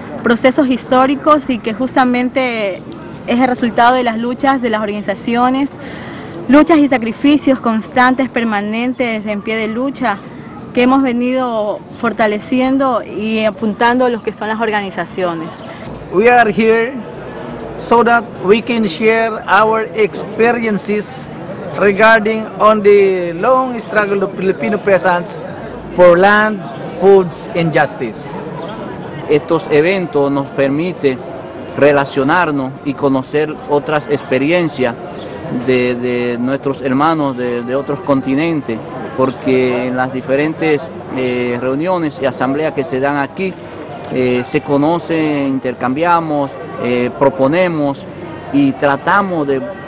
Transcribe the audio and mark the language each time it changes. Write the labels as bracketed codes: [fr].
[es] Procesos históricos y que justamente es el resultado de las luchas de las organizaciones, luchas y sacrificios constantes, permanentes, en pie de lucha, que hemos venido fortaleciendo y apuntando a lo que son las organizaciones. [en] We are here so that we can share our experiences regarding on the long struggle of Filipino peasants for land, foods and justice. [es] Estos eventos nos permiten relacionarnos y conocer otras experiencias de nuestros hermanos de otros continentes, porque en las diferentes reuniones y asambleas que se dan aquí se conocen, intercambiamos, proponemos y tratamos de